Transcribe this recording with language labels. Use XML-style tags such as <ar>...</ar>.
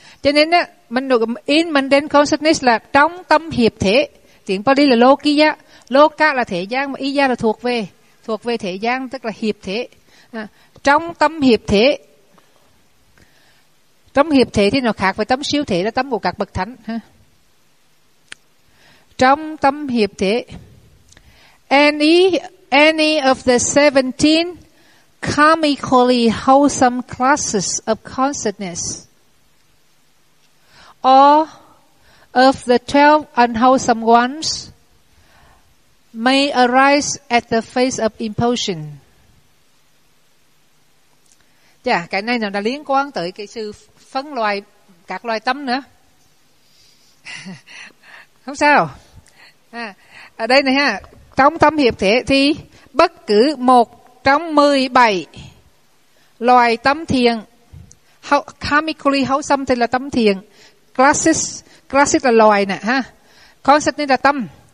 <vi>Cho nên á, mình được</vi> <en>in mundane consciousness</en> <vi>là trong tâm hiệp thế. Tiếng Pali là Lokiya. Loka là thế gian, mà Iya là thuộc về thế gian, tức là hiệp thế. À, trong tâm hiệp thế. Tâm hiệp thể thì nó khác với tâm siêu thể, là tâm của các bậc thánh. Ha? Trong tâm hiệp thể,</vi> <en>any of the 17 karmically wholesome classes of consciousness or of the 12 unwholesome ones may arise at the face of impulsion.</en> <vi>Yeah, cái này nó đã liên quan tới cái sự phân loại các loại tâm nữa. Không sao. À, ở đây này ha, trong tâm hiệp thể thì bất cứ một trong 17 loại tâm thiền, karmically wholesome thì là tâm thiền, classes là loại nè ha, consciousness là tâm.</vi>